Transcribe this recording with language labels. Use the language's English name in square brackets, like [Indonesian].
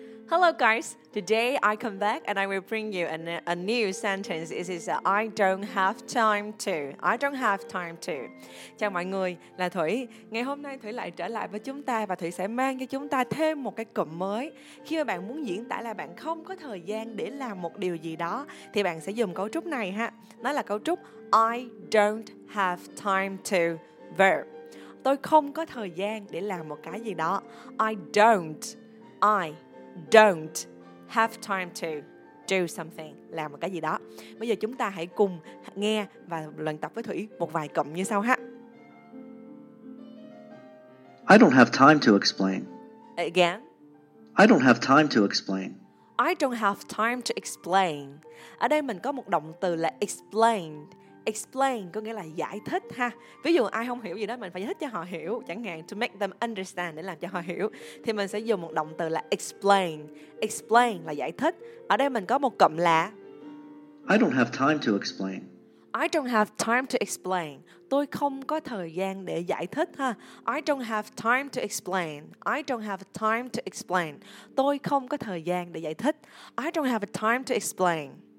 [English] Hello guys, today I come back and I will bring you a new sentence. This is I don't have time to. I don't have time to. [Vietnamese] Chào mọi người, là Thủy. Ngày hôm nay Thủy lại trở lại với chúng ta và Thủy sẽ mang cho chúng ta thêm một cái cụm mới. Khi mà bạn muốn diễn tả là bạn không có thời gian để làm một điều gì đó thì bạn sẽ dùng cấu trúc này ha. Nó là cấu trúc [English] I don't have time to verb. [Vietnamese] Tôi không có thời gian để làm một cái gì đó. [English] I don't have time to do something. [Vietnamese] Làm một cái gì đó. Bây giờ chúng ta hãy cùng nghe và luyện tập với Thủy một vài cụm như sau ha. [English] I don't have time to explain. Again? I don't have time to explain. I don't have time to explain. [Vietnamese] Ở đây mình có một động từ là explain. Explain có nghĩa là giải thích ha. Ví dụ ai không hiểu gì đó mình phải giải thích cho họ hiểu. Chẳng hạn [English] to make them understand [Vietnamese] để làm cho họ hiểu. Thì mình sẽ dùng một động từ là explain. Explain là giải thích. Ở đây mình có một cụm là [English] I don't have time to explain. I don't have time to explain. [Vietnamese] Tôi không có thời gian để giải thích ha. [English] I don't have time to explain. I don't have time to explain. [Vietnamese] Tôi không có thời gian để giải thích. [English] I don't have time to explain.